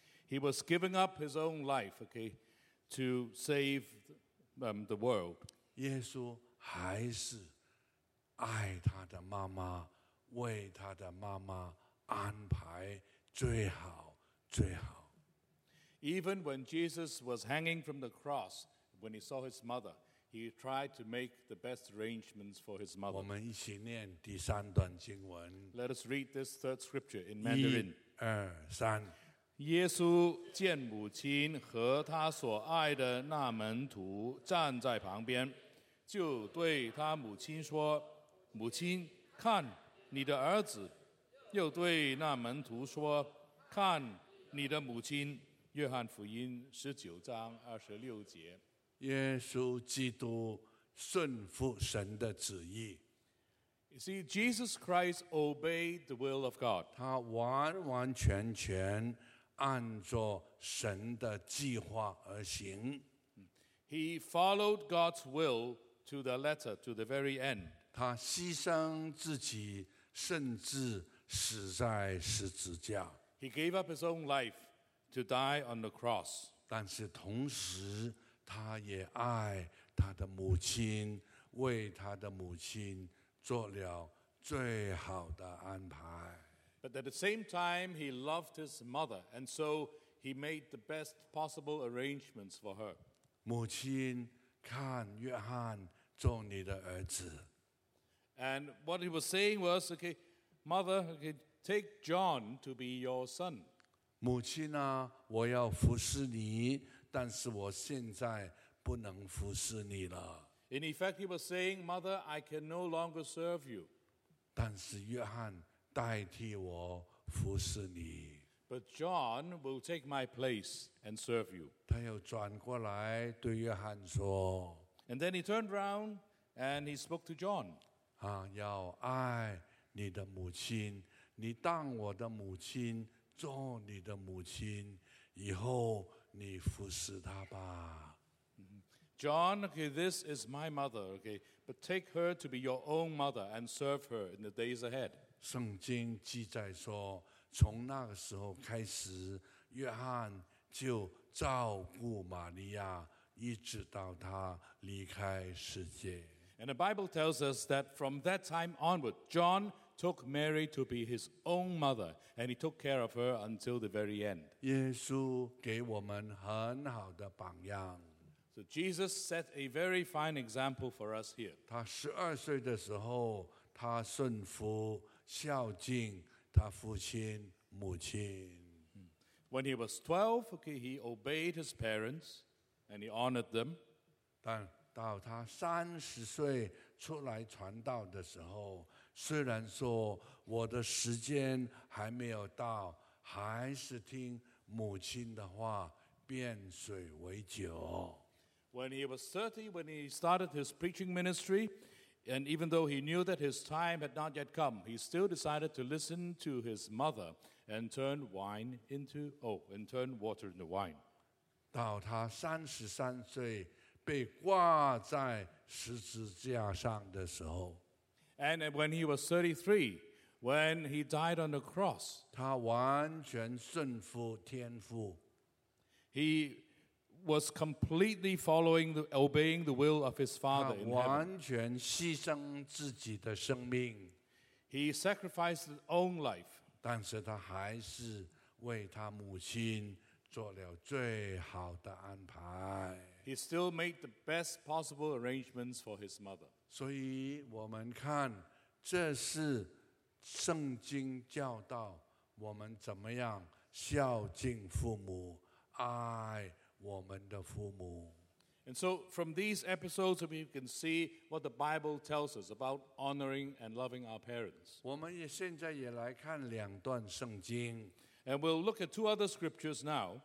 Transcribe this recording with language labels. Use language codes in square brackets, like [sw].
[en] He was giving up his own life, okay, to save the world. [zh] 耶稣还是爱他的妈妈，为他的妈妈安排最好最好。 [en] Even when Jesus was hanging from the cross, when he saw his mother,He tried to make the best arrangements for his mother. [zh] 我们一起念第三段经文。 [en] Let us read this third scripture in Mandarin. [zh] 1, 2, 3。耶稣见母亲和他所爱的那门徒站在旁边，就对他母亲说：“母亲，看你的儿子。” 又对那门徒说：“看你的母亲。” 约翰福音19:26。耶稣基督顺服神的旨意。 [en] You see, Jesus Christ obeyed the will of God. [zh] 他完完全全按着神的计划而行。 [en] He followed God's will to the letter, to the very end. [zh] 他牺牲自己，甚至死在十字架。 [en] He gave up his own life to die on the cross. [zh] 但是同时他也爱他的母亲，为他的母亲做了最好的安排。 [en] But at the same time, he loved his mother, and so he made the best possible arrangements for her. [zh] 母亲，看约翰做你的儿子。 [en] And what he was saying was, okay, mother, okay, take John to be your son. [zh] 母亲啊，我要服侍你。但是我现在不能服侍你了。 [en] In effect, he was saying, "Mother, I can no longer serve you." [zh] 但是约翰代替我服侍你。 [en] But John will take my place and serve you. [zh] 他又转过来对约翰说。 [en] And then he turned around and he spoke to John. [zh] 啊，要爱你的母亲，你当我的母亲，做你的母亲，以后。你服侍他吧。 [en] John, okay, this is my mother, okay, but take her to be your own mother and serve her in the days ahead. [zh] 圣经记载说，从那个时候开始，约翰就照顾玛利亚，一直到他离开世界。 [en] And the Bible tells us that from that time onward, John took Mary to be his own mother, and he took care of her until the very end. [zh] 耶稣给我们很好的榜样。 [en] So Jesus set a very fine example for us here. [zh] 他十二岁的时候，他顺服、孝敬他父亲、母亲。 [en] When he was 12, okay, he obeyed his parents, and he honored them. [zh] 但到他三十岁出来传道的时候，虽然说我的时间还没有到，还是听母亲的话，变水为酒。 [en] When he was 30, when he started his preaching ministry, and even though he knew that his time had not yet come, he still decided to listen to his mother and turn wine into, oh, and turn water into wine. [zh] 到他33岁被挂在十字架上的时候。 [en] And when he was 33, when he died on the cross, [zh] 他完全顺服天父。 [en] He was completely following, obeying the will of his Father in heaven. [zh] 完全牺牲自己的生命。 [en] He sacrificed his own life. [zh] 但是他还是为他母亲做了最好的安排。 [en] He still made the best possible arrangements for his mother. [zh] 所以我们看，这是圣经教导我们怎么样孝敬父母，爱我们的父母。 [en] And so from these episodes, we can see what the Bible tells us about honoring and loving our parents. [zh] 我们也现在也来看两段圣经。 [en] And we'll look at two other scriptures now.